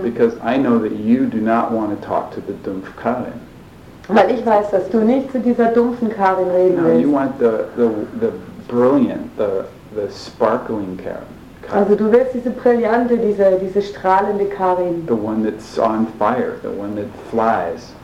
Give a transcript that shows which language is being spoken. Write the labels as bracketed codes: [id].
[en] Because I know that you do not want to talk to the Dumpfkarin. [de] Weil ich weiß, dass du nicht zu dieser dumpfen Karin reden willst. [en] No, you want the brilliant, the sparkling Karin. [de] Also du willst diese brillante, diese strahlende Karin. [en] The one that's on fire, the one that flies.